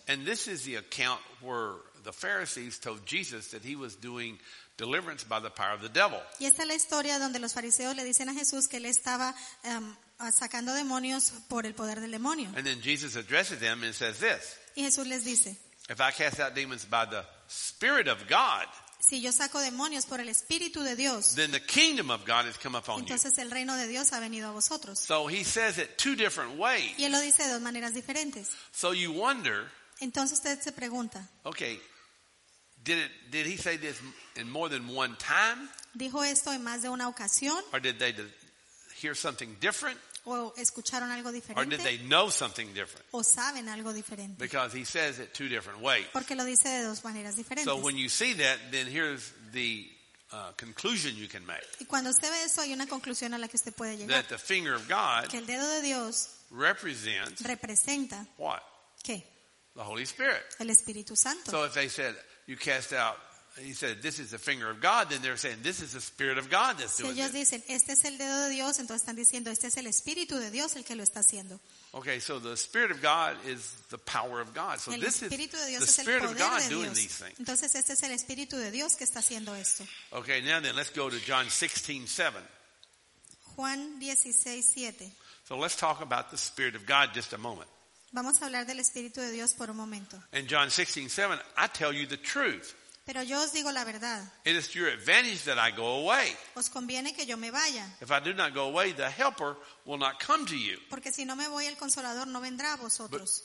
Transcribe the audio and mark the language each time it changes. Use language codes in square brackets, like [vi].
[en] And this is the account where the Pharisees told Jesus that he was doing deliverance by the power of the devil. [es] Y esta es la historia donde los fariseos le dicen a Jesús que él estaba sacando demonios por el poder del demonio. [en] And then Jesus addresses them and says this. [es] Y Jesús les dice. [en] If I cast out demons by the Spirit of God. [es] Si yo saco demonios por el Espíritu de Dios. [en] Then the kingdom of God has come upon you. [es] Entonces el reino de Dios ha venido a vosotros. [en] So he says it two different ways. [es] Y él lo dice de dos maneras diferentes. [en] So you wonder. [es] Entonces usted se pregunta. [en] Okay. Did he say this in more than one time? [es] Dijo esto en más de una ocasión. [en] Or did they hear something different? [es] ¿O escucharon algo diferente? [en] Or did they know something different? [es] ¿O saben algo diferente? [en] Because he says it two different ways. [es] Porque lo dice de dos maneras diferentes. [en] So when you see that, then here's the conclusion you can make. [es] Y cuando usted ve eso, hay una conclusión a la que usted puede llegar. [en] That the finger of God, [es] que el dedo de Dios, representa [en] what? [es] ¿Qué? [en] The Holy Spirit. [es] El Espíritu Santo. [en] So if they said you cast out he said, this is the finger of God, then they're saying, this is the Spirit of God that's doing it. [es] Si ellos dicen, este es el dedo de Dios, entonces están diciendo, este es el Espíritu de Dios el que lo está haciendo. [en] Okay, so the Spirit of God is the power of God. So this is the Spirit of God doing these things. [es] Entonces este es el Espíritu de Dios que está haciendo esto. [en] Okay, now then, let's go to John 16:7. [es] Juan 16:7. [en] So let's talk about the Spirit of God just a moment. [es] Vamos a hablar del Espíritu de Dios por un momento. [en] In John 16:7, I tell you the truth. [es] Pero yo os digo la verdad. [en] It is to your advantage that I go away. [es] Os conviene que yo me vaya. [en] If I do not go away, the Helper will not come to you. [es] Porque si no me voy, el Consolador no vendrá a vosotros.